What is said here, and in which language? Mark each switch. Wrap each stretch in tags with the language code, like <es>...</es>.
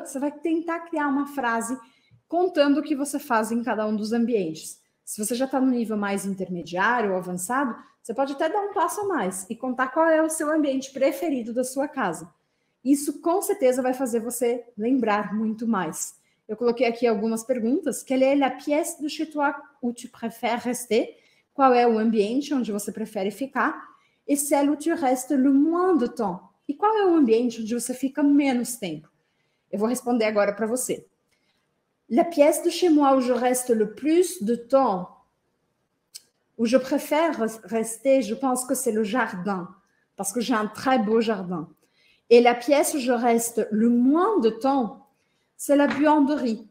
<pt>Você vai tentar criar uma frase contando o que você faz em cada um dos ambientes. Se você já está no nível mais intermediário ou avançado, você pode até dar um passo a mais e contar qual é o seu ambiente preferido da sua casa. Isso com certeza vai fazer você lembrar muito mais. Eu coloquei aqui algumas perguntas.</pt> <fr>Quelle est la pièce de chez toi où tu préfères rester?</fr> <pt>Qual é o ambiente onde você prefere ficar?</pt> <fr>Et celle où tu restes le moins de temps?</fr> <pt>E qual é o ambiente onde você fica menos tempo? Eu vou responder agora para você.</pt> <fr>La pièce de chez moi où je reste le plus de temps, où je préfère rester, je pense que c'est le jardin, parce que j'ai un très beau jardin. Et la pièce où je reste le moins de temps, c'est la buanderie.</fr>